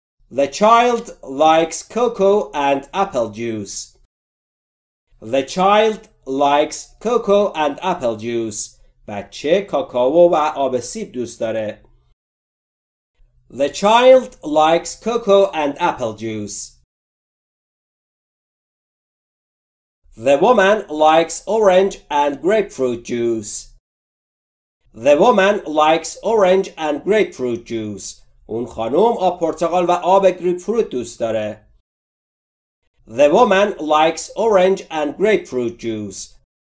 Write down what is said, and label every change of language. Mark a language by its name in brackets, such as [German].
[English] The child likes cocoa and apple juice. The child likes cocoa and apple juice. [Persian] بچه کاکائو و آب سیب دوست داره. [English] The child likes cocoa and apple juice. The woman likes orange and grapefruit juice. The woman likes orange and grapefruit juice. [Persian] اون خانم آب پرتقال و آب گریپ فروت دوست داره. [English] The woman likes orange and grapefruit juice.